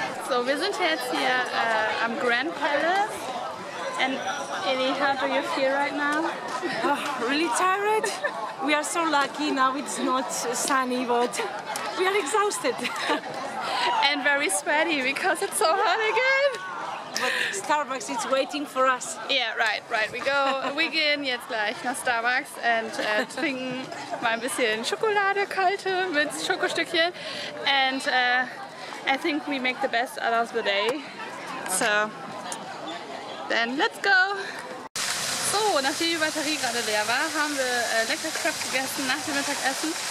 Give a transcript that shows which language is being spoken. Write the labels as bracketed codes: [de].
[de] So, wir sind jetzt hier am Grand Palace. [en] And Ellie, how do you feel right now? Really tired. We are so lucky now it's not sunny, but we are exhausted. And very sweaty because it's so hot again. But Starbucks is waiting for us. Yeah, right, right. [de] We gehen jetzt gleich nach Starbucks and trinken mal ein bisschen Schokolade, kalte mit Schokostückchen. [en] And I think we make the best out of the day. So. Then let's go! [de] So, nachdem die Batterie gerade leer war, haben wir lecker Kraft gegessen nach dem Mittagessen.